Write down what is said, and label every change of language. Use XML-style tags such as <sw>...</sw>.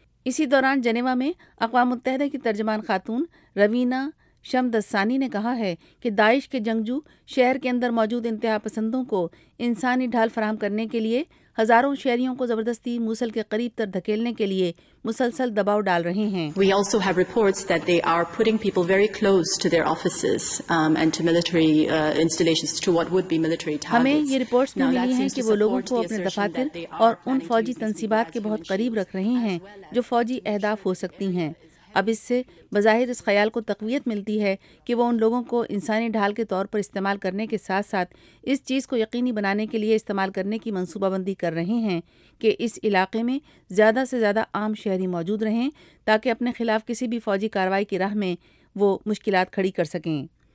<ur>اسی دوران جنیوا میں اقوام متحدہ کی ترجمان خاتون روینا شمدسانی نے کہا ہے کہ داعش کے جنگجو شہر کے اندر موجود انتہا پسندوں کو انسانی ڈھال فراہم کرنے کے لیے ہزاروں شہریوں کو زبردستی موصل کے قریب تر دھکیلنے کے لیے مسلسل دباؤ ڈال رہے ہیں۔</ur> <en>We also have reports that they are putting people very close to their offices and to military installations, to what would be military targets.</en> <ur>ہمیں یہ رپورٹس بھی ملی ہیں کہ وہ لوگوں کو اپنے دفاتر اور ان فوجی تنصیبات کے بہت قریب رکھ رہے ہیں جو فوجی اہداف ہو سکتی ہیں۔ اب اس سے بظاہر اس خیال کو تقویت ملتی ہے کہ وہ ان لوگوں کو انسانی ڈھال کے طور پر استعمال کرنے کے ساتھ ساتھ اس چیز کو یقینی بنانے کے لیے استعمال کرنے کی منصوبہ بندی کر رہے ہیں کہ اس علاقے میں زیادہ سے زیادہ عام شہری موجود رہیں تاکہ اپنے خلاف کسی بھی فوجی کارروائی کی راہ میں وہ مشکلات کھڑی کر سکیں۔</ur>